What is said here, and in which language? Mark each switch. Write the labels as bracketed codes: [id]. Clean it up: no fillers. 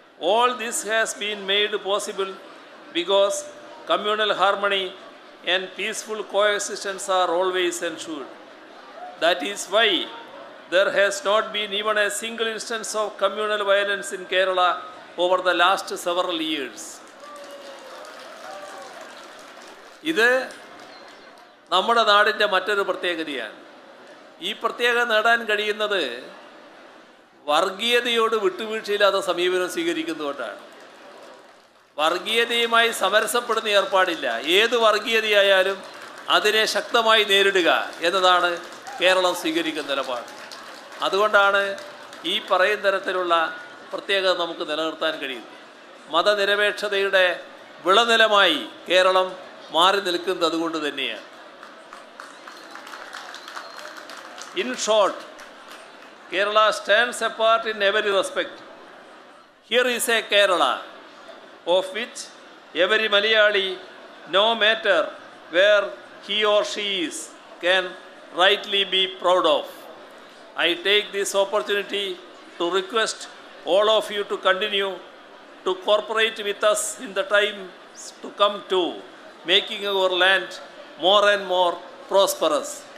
[en] All this has been made possible because communal harmony and peaceful coexistence are always ensured. That is why there has not been even a single instance of communal violence in Kerala over the last several years. [ml] ഇത് നമ്മുടെ നാടിൻ്റെ മറ്റൊരു പ്രത്യേകതയാണ്. ഈ പ്രത്യേകത നേടാൻ കഴിയുന്നത് വർഗീയതയോട് വിട്ടുവീഴ്ചയില്ലാതെ സമീപനം സ്വീകരിക്കുന്നതുകൊണ്ടാണ്. വർഗീയതയുമായി സമരസപ്പെടുന്ന ഏർപ്പാടില്ല. ഏത് വർഗീയതയായാലും അതിനെ ശക്തമായി നേരിടുക എന്നതാണ് കേരളം സ്വീകരിക്കുന്ന നിലപാട്. അതുകൊണ്ടാണ് ഈ പറയുന്ന തരത്തിലുള്ള പ്രത്യേകത നമുക്ക് നിലനിർത്താൻ കഴിയുന്നത്. മതനിരപേക്ഷതയുടെ വിളനിലമായി കേരളം മാറി നിൽക്കുന്നത് അതുകൊണ്ട് തന്നെയാണ്. [en] In short, Kerala stands apart in every respect. Here is a Kerala of which every Malayali, no matter where he or she's, can rightly be proud of. I take this opportunity to request all of you to continue to cooperate with us in the times to come to making our land more and more prosperous.